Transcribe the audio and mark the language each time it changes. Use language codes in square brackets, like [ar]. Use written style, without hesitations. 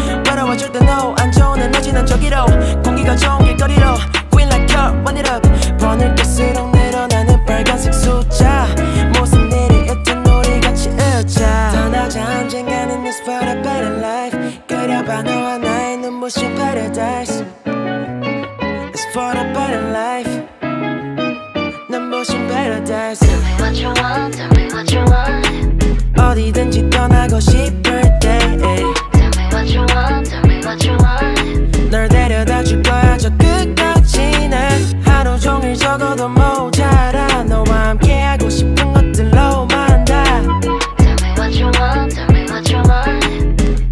[ko] 외로워줄 때 no 안 좋은 에너지는 저기로 공기가 좋은 길거리로 [en] Queen like her, want it up [ko] 번을 뗄수록 늘어나는 빨간색 숫자 무슨 일이 있든 우리 같이 웃자 떠나자 언젠가는 [en] this for a better life [ko] 그려봐 너와 나의 눈부신 paradise [en] For a better life [ko] 눈부신 paradise [en] Tell me what you want, tell me what you want [ko] 어디든지 떠나고 싶을 때 [en] Tell me what you want, tell me what you want [ko] 널 데려다 줄 거야 저 끝까지 난 하루 종일 적어도 모자라 너와 함께 하고 싶은 것들로 만다 [en] Tell me what you want, tell me what you want